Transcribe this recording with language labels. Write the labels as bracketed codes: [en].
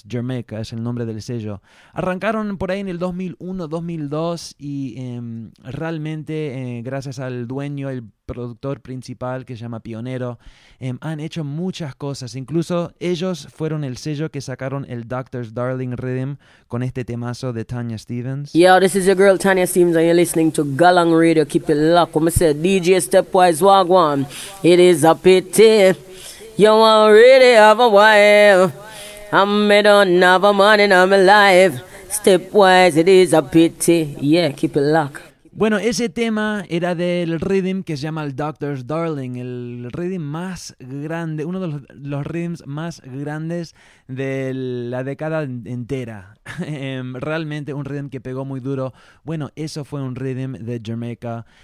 [es] Jamaica es el nombre del sello. Arrancaron por ahí en el 2001-2002 y realmente, gracias al dueño, el productor principal que se llama Pionero, han hecho muchas cosas. Incluso ellos fueron el sello que sacaron el Doctor's Darling Rhythm con este temazo de Tanya Stevens. [en] Yo, this is your girl Tanya Stevens and you're listening to Galang Radio. Keep it locked. [es] Como se [en] DJ Stepwise Wagwan. It is a pity you already have a wife. I don't have a man in my life. Stepwise, it is a pity. Yeah, keep it locked. [es] Bueno, ese tema era del rhythm que se llama el Doctor's Darling, el rhythm más grande, uno de los rhythms más grandes de la década entera. Realmente un rhythm que pegó muy duro. Bueno, eso fue un rhythm de Jamaica.